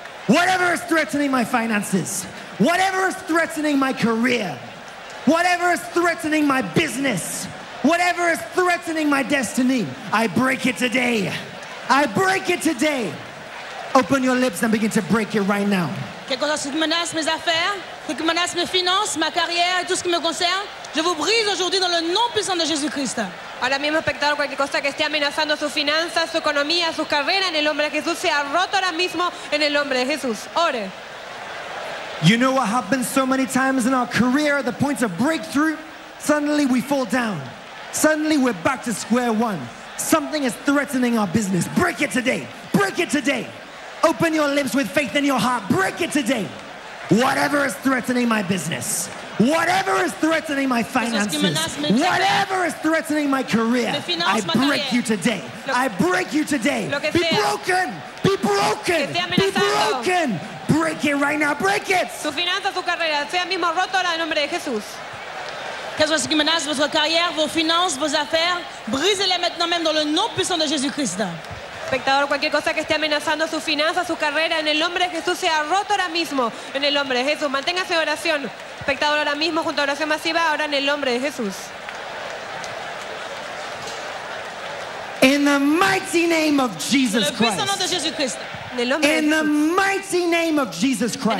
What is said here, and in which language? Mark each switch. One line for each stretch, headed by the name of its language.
English: Whatever is threatening my finances, whatever is threatening my career, whatever is threatening my business, whatever is threatening my destiny, I break it today. I break it today. Open your lips and begin to break it right now.
French: Quelque chose qui menace mes affaires, quelque chose qui menace mes finances, ma carrière, tout ce qui me concerne, je vous brise aujourd'hui dans le nom puissant de Jésus Christ.
Spanish: Ahora mismo, espectador, cualquier cosa que esté amenazando sus finanzas, su economía, sus carreras, en el nombre de Jesús, sea roto ahora mismo en el nombre de Jesús. Ore.
English: You know what happens so many times in our career at the point of breakthrough? Suddenly we fall down. Suddenly we're back to square one. Something is threatening our business. Break it today. Break it today. Open your lips with faith in your heart. Break it today. Whatever is threatening my business. Whatever is threatening my finances, whatever is threatening my career, I break you today. I break you today. Be broken. Be broken. Be broken. Break it right now. Break it.
French: Qu'est-ce qui menace votre carrière, vos finances, vos affaires? Brisez-les maintenant même dans le nom puissant de Jésus-Christ.
Spanish: Spectador, cualquier cosa que esté amenazando su finanza, su carrera, en el nombre de Jesús, sea roto ahora mismo. En el nombre de Jesús, manténgase en oración. Espectador, ahora mismo, junto a oración masiva, ahora en el nombre de Jesús.
English: In the mighty name of Jesus Christ.
Spanish: En el nombre de Jesús.
English: In the mighty name of Jesus Christ.